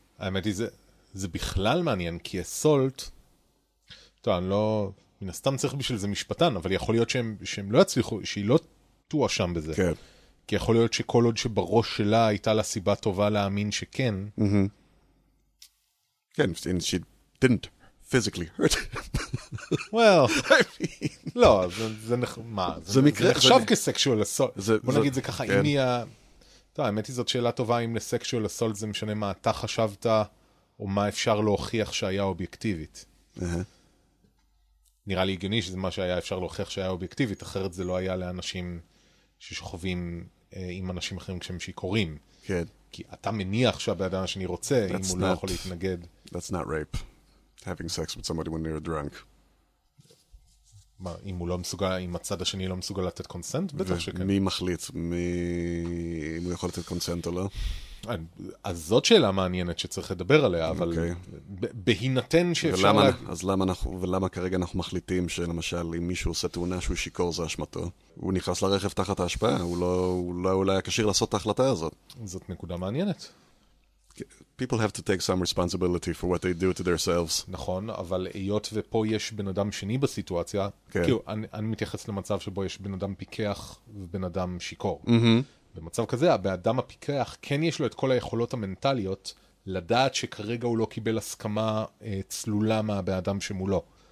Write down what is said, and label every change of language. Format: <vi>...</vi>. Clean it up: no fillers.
<he>האמת היא, זה בכלל מעניין, כי assault, טוב, אני לא, מן הסתם צריך בשביל זה משפטן, אבל יכול להיות שהם לא יצליחו, שהיא לא תועה שם בזה. כן. כי יכול להיות שכל עוד שבראש שלה הייתה לה סיבה טובה להאמין שכן. כן,</he> <en>and she didn't physically hurt him.</en> <he>Well, לא, זה נחשב כסקשואל אסולט. בוא נגיד זה ככה, אם היא... טוב, האמת היא זאת שאלה טובה, אם לסקשואל אסולט זה משנה מה אתה חשבת, או מה אפשר להוכיח שהיה אובייקטיבית. נראה לי הגיוני שזה מה שהיה אפשר להוכיח שהיה אובייקטיבית, אחרת זה לא היה לאנשים ששוכבים עם אנשים אחרים כשהם שיקורים. כן. כי אתה מניח שהבאדם שאני רוצה, אם הוא לא יכול להתנגד.</he> <en>That's not rape. Having sex with somebody when you're drunk.</en> <he>מה, אם הוא לא מסוגל, אם הצד השני לא מסוגל לתת קונסנט? בטח שכן. מי מחליט? אם הוא יכול לתת קונסנט או לא? אז זאת שאלה מעניינת שצריך לדבר עליה, אבל בהינתן שאפשר... ולמה כרגע אנחנו מחליטים שלמשל, אם מישהו עושה תאונה שהוא שיקור, זה אשמתו? הוא נכנס לרכב תחת ההשפעה, הוא לא היה קשיר לעשות את ההחלטה הזאת. זאת נקודה מעניינת.</he> <en>People have to take some responsibility for what they do to themselves.</en> <he>נכון, אבל היות ופה יש בן אדם שני בסיטואציה, כאילו, אני מתייחס למצב שבו יש בן אדם פיקח ובן אדם שיקור. במצב כזה, באדם הפיקח כן יש לו את כל היכולות המנטליות לדעת שכרגע הוא לא קיבל הסכמה צלולה מהבאדם שמולו.</he>